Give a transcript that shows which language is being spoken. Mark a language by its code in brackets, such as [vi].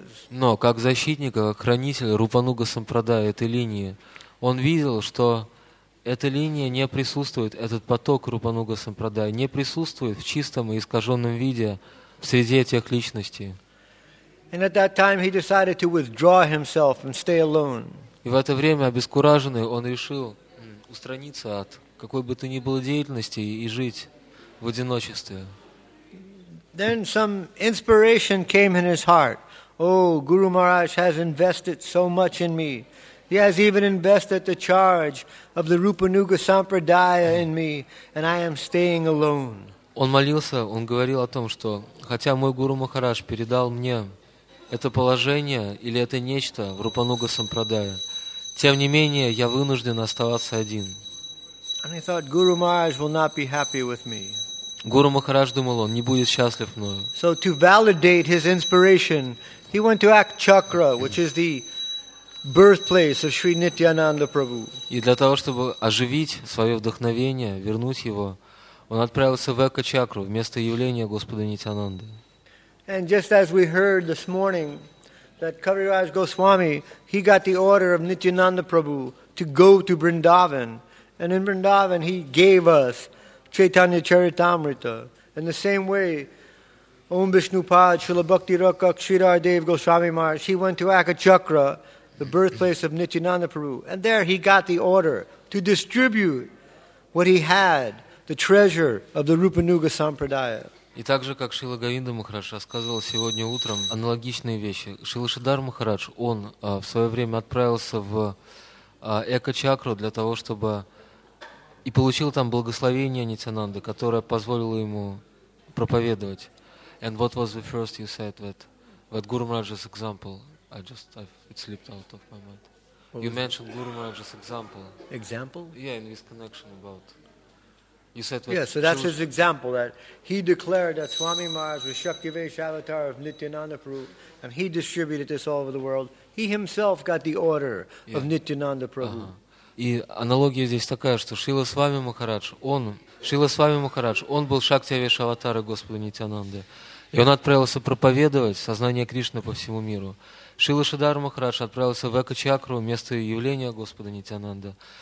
[ru] Но как защитник, как хранитель Рупануга Сампрадая этой линии, он видел, что эта линия не присутствует, этот поток Рупануга Сампрадая не присутствует в чистом и искаженном виде среди этих личностей. [en] And at that time he decided to withdraw himself and stay alone. [ru] И в это время обескураженный он решил устраниться от какой бы то ни было деятельности и жить в одиночестве. [en] Then some inspiration came in his heart. Oh, Guru Maharaj has invested so much in me. He has even invested the charge of the Rupanuga Sampradaya in me, and I am staying alone. [ru] Он молился, он говорил о том, что хотя мой Гуру Махарадж передал мне это положение или это нечто в Рупануга Сампрадая, тем не менее я вынужден оставаться один. [en] And he thought, Guru Maharaj will not be happy with me. [ru] Гуру Махарадж думал, он не будет счастлив мною. [en] So to validate his inspiration, he went to Akchakra, which is the birthplace of Sri Nityananda Prabhu. [ru] И для того, чтобы оживить свое вдохновение, вернуть его, он отправился в Акчакру, в место явления Господа Нитянанды. [en] And just as we heard this morning, that Kaviraj Goswami, he got the order of Nityananda Prabhu to go to Vrindavan. And in Vrindavan, he gave us Chaitanya Charitamrita. In the same way, Om Vishnupad Srila Bhakti Rakak Sridhar Dev Goswami Maharaj, he went to Akachakra, the birthplace of Nityananda Prabhu. And there he got the order to distribute what he had, the treasure of the Rupanuga Sampradaya. [ru] И так же, как Шрила Говинда Махарадж рассказывал сегодня утром аналогичные вещи, Шрила Шридхар Махарадж, он в свое время отправился в Эко-чакру для того, чтобы и получил там благословение Нитянанды, которое позволило ему проповедовать. [en] And what was the first you said that Guru Maharaj's example? It slipped out of my mind. You mentioned Guru Maharaj's example. Example? Yeah, in this connection about... You said yeah, so that's his example, that he declared that Swami Maharaj was Shaktivesh Avatar of Nityananda Prabhu, and he distributed this all over the world. He himself got the order of Nityananda Prabhu. [ru] И аналогия здесь такая, что Шрила Свами Махарадж, он был Шактивеш Аватара Господа Нитянанды, и он отправился проповедовать сознание Кришны по всему миру. Шрила Шридхар Махарадж отправился в Эко-чакру, место явления Господа Нитянанды.